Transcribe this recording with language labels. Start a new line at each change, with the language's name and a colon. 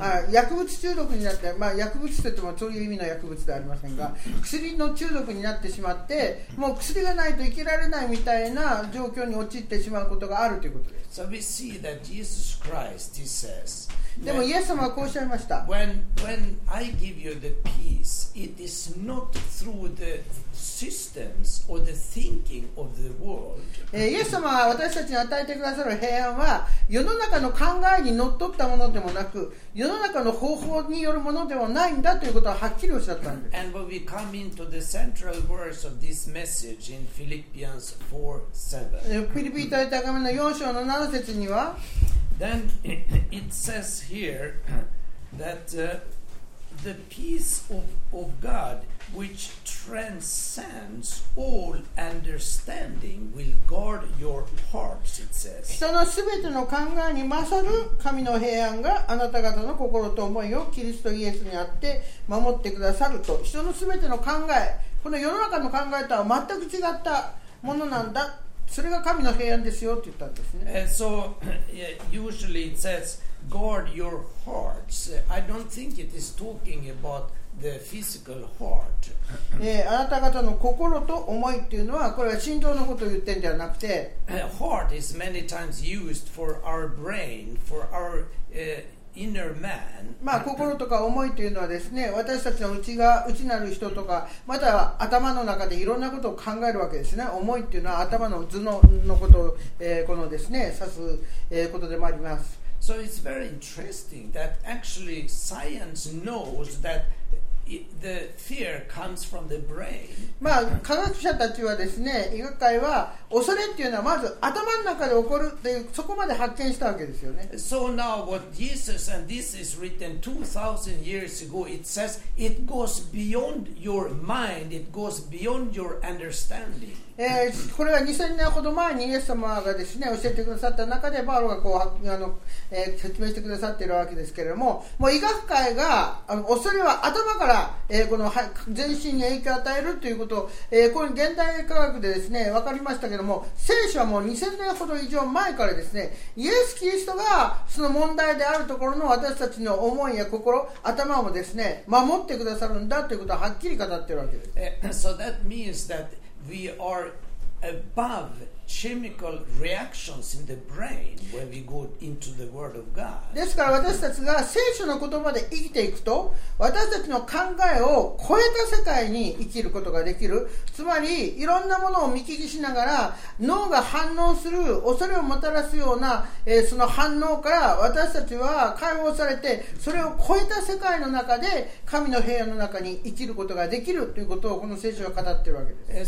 Japanese: 薬物中毒になって、まあ、薬物といってもそういう意味の薬物ではありませんが、薬の中毒になってしまって、もう薬がないと生きられないみたいな状況に陥ってしまうことがあるということです。
English: So we see that Jesus Christ, he says,
Japanese: でもイエス様はこうおっしゃいました。
English: When I give you the peace, it is not through the systems or the thinking of the world.
Japanese: イエス様は私たちに与えてくださる平安は、世の中の考えにのっとったものでもなく、世の中の方法によるものではないんだということははっきりおっしゃったんです。
English: And when we come into the central words of this message in Philippians 4:7.
Japanese: フィリピ人への手紙の4章の7節には、
English: Then it says here that the peace of God which transcends all understanding will guard your hearts, it says.
Japanese: 人のすべての考えに勝る神の平安があなた方の心と思いをキリストイエスにあって守ってくださると。人のすべての考え、この世の中の考えとは全く違ったものなんだ。それが神の平安ですよって言ったんですね。
English: So usually it says guard your hearts. I don't think it is talking about the physical heart.
Japanese: あなた方の心と思いっていうのは、これは心臓のことを言ってんじゃなくて、
English: heart is many times used for our brain, for our inner man.
Japanese: まあ心とか思いというのはですね、私たちの内なる人とか、または頭の中でいろんなことを考えるわけですね。思いというのは頭の頭脳のことを、このですね、指す、ことでもあります。
English: So it's very interesting that actually science knows that the fear comes from the brain.
Japanese: まあ、科学者たちはですね、医学界は恐れっていうのはまず頭の中で起こるっていう、そこまで発見したわけですよね。
English: So now what Jesus, and this is written 2000 years ago, it says it goes beyond your mind, it goes beyond your understanding.
Japanese: これは2000年ほど前にイエス様がですね、教えてくださった中でパウロがこう説明してくださっているわけですけれども、もう医学界が恐れは頭から、この全身に影響を与えるということを、この現代科学でですね、分かりましたけれども、聖書はもう2000年ほど以上前からですね、イエス・キリストがその問題であるところの私たちの思いや心、頭をですね、守ってくださるんだということをはっきり語っているわけです。
English: So that means that we are aboveChemical reactions in the brain when we go into the Word of God.
Japanese: ですから私たちが聖書の言葉で生きていくと、私たちの考えを超えた世界に生きることができる。つまり、いろんなものを見聞きしながら、脳が反応する恐れをもたらすような、その反応から私たちは解放されて、それを超えた世界の中で神の平安の中に生きることができるということをこの聖書は語っているわけです。